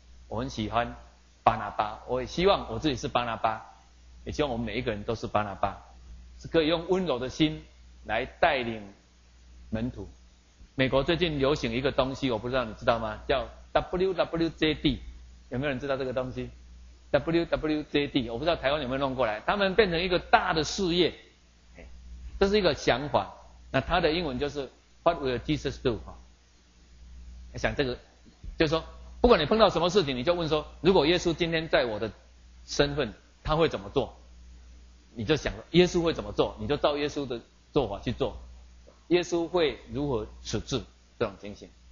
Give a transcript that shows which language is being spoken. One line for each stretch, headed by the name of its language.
Chinese: 我很喜欢巴拿巴，我也希望我自己是巴拿巴，也希望我们每一个人都是巴拿巴，是可以用温柔的心来带领门徒。美国最近流行一个东西，我不知道你知道吗，叫 WWJD， 有没有人知道这个东西？ WWJD， 我不知道台湾有没有弄过来，他们变成一个大的事业，这是一个想法。那他的英文就是
English: What will Jesus do？
Chinese: 想这个就是说不管你碰到什么事情，你就问说如果耶稣今天在我的身份他会怎么做，你就想耶稣会怎么做，你就照耶稣的做法去做，耶稣会如何处置这种情形。